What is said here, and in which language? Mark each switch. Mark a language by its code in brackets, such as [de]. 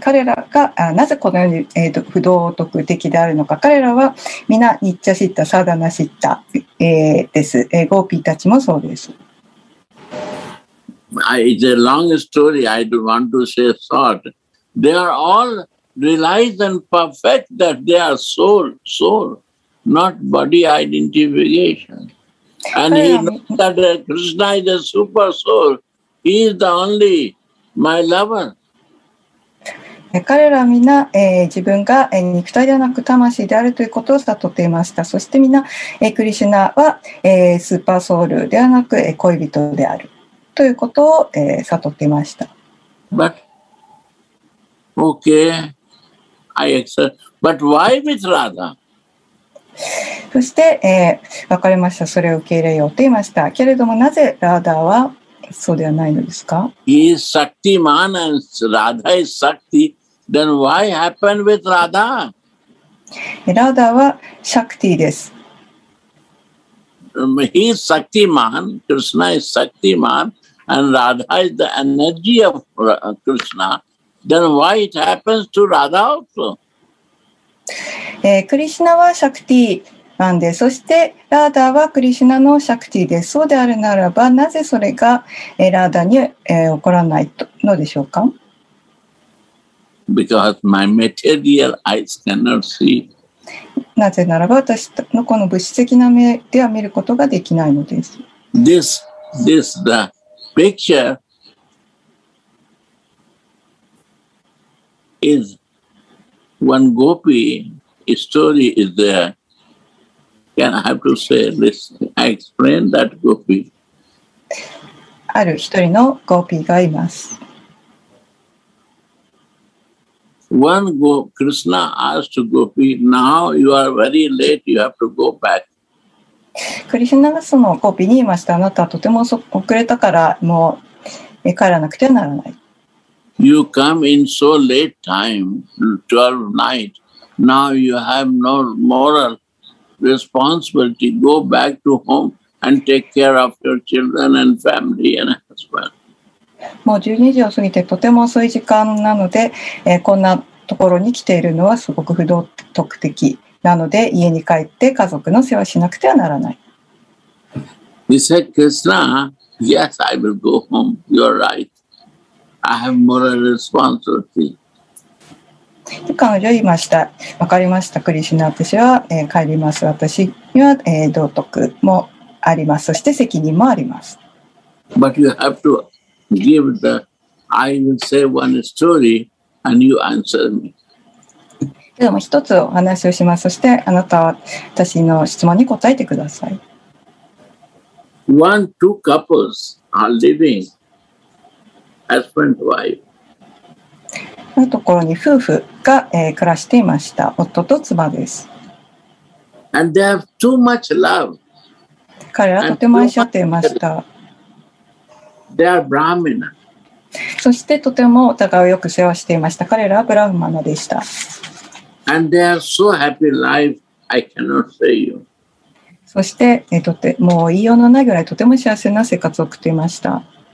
[ja] 彼らがなぜこのように、不道徳的であるのか。彼らは皆ニッチャシッタ、サダナシッタ、です。ゴーピーたちもそうです。 [en] it's a long story, I don't want to say short. They are all realized and perfect that they are soul, not body identification. And he knows that Krishna is a super soul. He is the only my lover. [ja] 彼らみんな、自分が、肉体ではなく魂であるということを悟っていました。そしてみんな、クリシュナは、スーパーソウルではなく、恋人であるということを、悟っていました。 [en] But, okay. I accept. But why with Radha? [ja] そして、分かりました。それを受け入れようと言いました。けれどもなぜラーダーはそうではないのですか? [en] He is Shakti man and Radha is Shakti. Then why happened with Radha? [ja] Radha は Shakti です。 [en] He is Shakti man, Krishna is Shakti man, and Radha is the energy of Krishna. Then why it happens to Radha also? [ja] Krishna は Shakti なんで、そして Radha は Krishna の Shakti です。そうであるならば、なぜそれが Radha に起こらないのでしょうか? [en] Because my material eyes cannot see. [ja] なぜならば私のこの物質的な目では見ることができないのです。 [en] This the picture is one gopi story is there. Can I have to say this? I explain that gopi. [ja] ある一人のゴーピーがいます。 [en] One go, Krishna asked to Gopi, now you are very late, you have to go back. [ja] Krishna がそのゴピに言いました。あなたはとても遅れたから、もう帰らなくてはならない。 [en] You come in so late time, 12 night, now you have no moral responsibility, go back to home and take care of your children and family and husband. [ja] もう12時を過ぎてとても遅い時間なので、こんなところに来ているのはすごく不道徳的なので家に帰って家族の世話しなくてはならない。 [en] He said, Krishna, yes, I will go home. You are right. I have moral responsibility. [ja] 彼女は言いました。わかりました、クリシュナ。私は、帰ります。私には、道徳もあります。そして責任もあります。 [en] But you have to... Give the, I will say one story and you answer me. [ja] でも一つお話をします。そしてあなたは私の質問に答えてください。 [en] One, two couples are living, husband, wife. [ja] のところに夫婦が、暮らしていました。夫と妻です。 [en] And they have too much love. [ja] 彼らはとても愛し合っていました。 [en] They are Brahmana. [ja] そしてとてもお互いをよく世話していました。彼らはブラフマナでした。 [en] And they are so happy life, I cannot say you. [ja] そしてとてもう言いようのないぐらいとても幸せな生活を送っていました。